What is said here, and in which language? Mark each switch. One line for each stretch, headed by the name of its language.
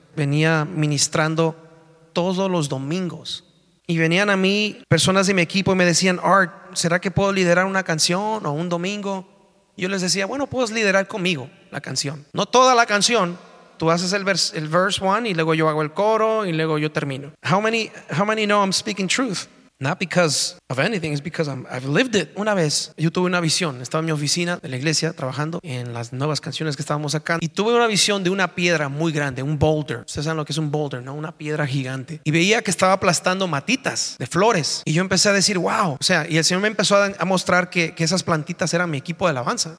Spanish: Venía ministrando todos los domingos y venían a mí personas de mi equipo y me decían, Art, ¿será que puedo liderar una canción o un domingo? yo les decía, bueno, puedes liderar conmigo la canción. No toda la canción. Tú haces el
English: verse one
Spanish: y luego yo hago el coro y luego yo termino.
English: How many know I'm speaking truth? Not because of anything, it's because I've lived it.
Spanish: Una vez, yo tuve una visión. Estaba en mi oficina de la iglesia trabajando en las nuevas canciones que estábamos sacando. Y tuve una visión de una piedra muy grande, un boulder. Ustedes saben lo que es un boulder, ¿no? Una piedra gigante. Y veía que estaba aplastando matitas de flores. Y yo empecé a decir, wow. O sea, y el Señor me empezó a mostrar que esas plantitas eran mi equipo de alabanza.